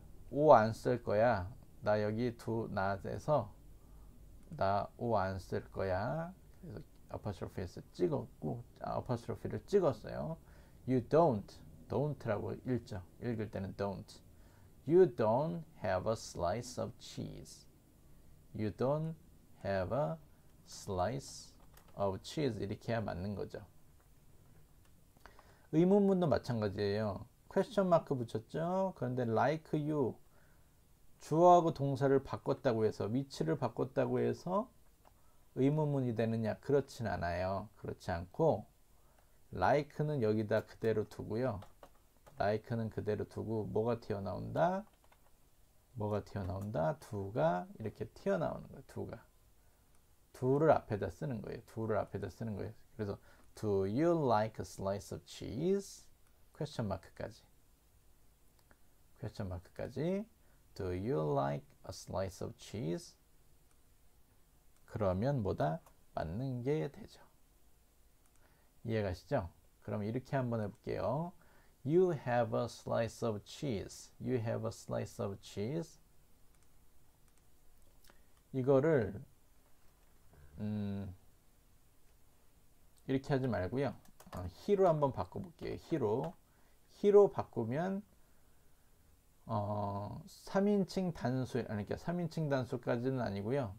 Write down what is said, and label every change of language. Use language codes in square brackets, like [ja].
[ko] 나오안쓸 거야. 나 여기 두 not에서 나오안쓸 거야. 그래서 apostrophe에서 찍었고, apostrophe를 찍었어요. [en] You don't [ko] 라고 읽죠. 읽을 때는 don't. [en] You don't have a slice of cheese. You don't have a slice of cheese. [ko] 이렇게 해야 맞는 거죠. 의문문도 마찬가지예요. question mark 붙였죠? 그런데 [en] like you. [ko] 주어하고 동사를 바꿨다고 해서, 위치를 바꿨다고 해서 의문문이 되느냐? 그렇진 않아요. 그렇지 않고, like는 여기다 그대로 두고요. like는 그대로 두고, 뭐가 튀어나온다? 뭐가 튀어나온다? 두가 이렇게 튀어나오는 거예요. 두가. 두를 앞에다 쓰는 거예요. 두를 앞에다 쓰는 거예요. 그래서 [en] Do you like a slice of cheese? question mark까지. question mark까지. Do you like a slice of cheese? [ko] 그러면 뭐다? 맞는 게 되죠. 이해가시죠? 그럼 이렇게 한번 해볼게요. [en] You have a slice of cheese. You have a slice of cheese. [ko] 이거를 이렇게 하지 말고요. he로 한번 바꿔볼게요. he로 바꾸면 3인칭 단수, 그러니까 3인칭 단수까지는 아니고요.